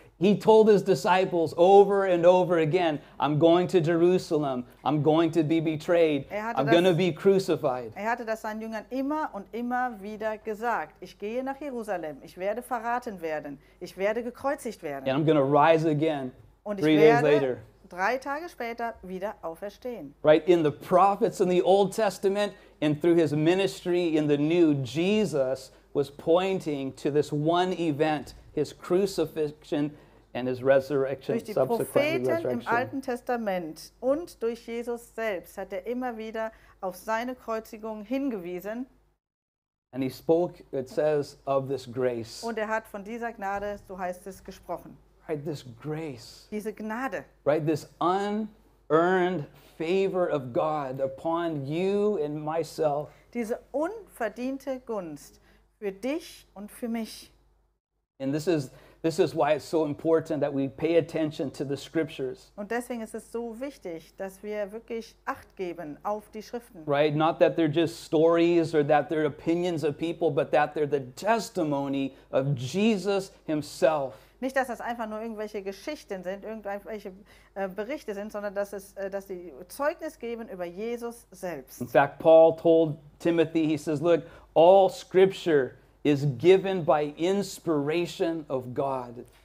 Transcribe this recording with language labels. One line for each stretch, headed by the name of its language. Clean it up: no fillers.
English: He told his disciples over and over again, I'm going to Jerusalem, I'm going to be betrayed, I'm going to be crucified.
German: Er hatte das seinen Jüngern immer und immer wieder gesagt. Ich gehe nach Jerusalem, ich werde verraten werden, ich werde gekreuzigt werden.
English: And I'm going to rise again und three days later.
German: Drei Tage später wieder auferstehen.
English: Right, in the prophets in the Old Testament and through his ministry in the New, Jesus was pointing to this one event, his crucifixion and his resurrection.
German: Durch die Propheten im Alten Testament und durch Jesus selbst hat er immer wieder auf seine Kreuzigung hingewiesen.
English: And he spoke, it says, of this grace.
German: Und er hat von dieser Gnade, so heißt es, gesprochen.
English: Right, this grace.
German: Diese Gnade.
English: Right, this unearned favor of God upon you and myself.
German: Diese unverdiente Gunst für dich und für mich.
English: And this is why it's so important that we pay attention to the scriptures.
German: Und deswegen ist es so wichtig, dass wir wirklich Acht geben auf die Schriften.
English: Right, not that they're just stories or that they're opinions of people, but that they're the testimony of Jesus himself.
German: Nicht, dass das einfach nur irgendwelche Geschichten sind, irgendwelche Berichte sind, sondern dass es, dass die Zeugnis geben über Jesus selbst.
English: In fact, Paul told Timothy, he says, look, all scripture is given by inspiration of God.